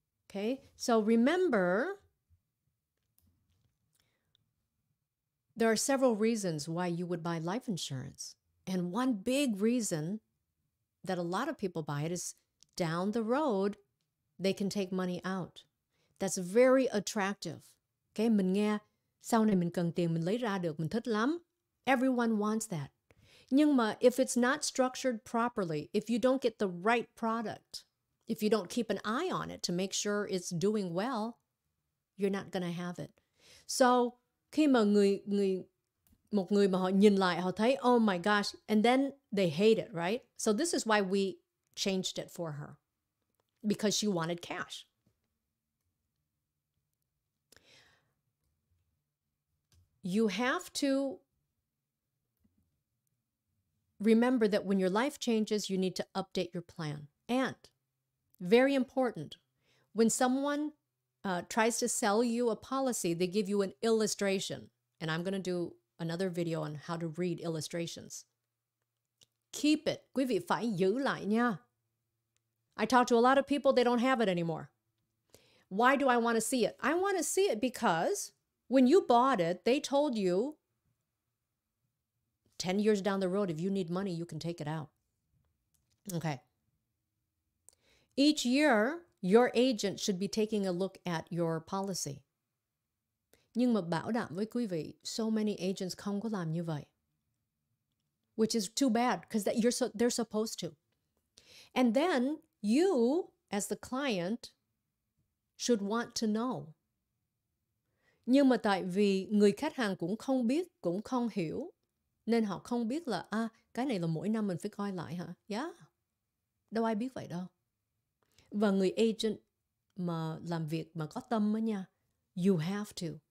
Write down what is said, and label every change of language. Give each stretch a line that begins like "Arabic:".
English: Okay, so remember, there are several reasons why you would buy life insurance. And one big reason that a lot of people buy it is down the road, they can take money out. That's very attractive.
Vietnamese: Okay, mình nghe, sau này mình cần tiền, mình lấy ra được, mình thích lắm.
English: Everyone wants that.
Vietnamese: Nhưng mà
English: if it's not structured properly, if you don't get the right product, if you don't keep an eye on it to make sure it's doing well, you're not going to have it.
Vietnamese: So, khi mà một người mà họ nhìn lại, họ thấy,
English: oh my gosh, and then they hate it, right? So this is why we changed it for her, because she wanted cash. You have to remember that when your life changes, you need to update your plan. And very important, when someone tries to sell you a policy, they give you an illustration. And I'm going to do another video on how to read illustrations. Keep it.
Vietnamese: Quý vị phải giữ lại nha.
English: I talk to a lot of people, they don't have it anymore. Why do I want to see it? I want to see it because when you bought it, they told you 10 years down the road, if you need money, you can take it out. Okay. Each year, your agent should be taking a look at your policy.
Vietnamese: Nhưng mà bảo đảm với quý vị,
English: so many agents
Vietnamese: không có làm như vậy.
English: Which is too bad, because they're supposed to. And then you, as the client, should want to know.
Vietnamese: Nhưng mà tại vì người khách hàng cũng không biết, cũng không hiểu, nên họ không biết là, cái này là mỗi năm mình phải coi lại hả? Yeah. Đâu ai biết vậy đâu. Và người agent mà làm việc mà có tâm á nha,
English: you have to.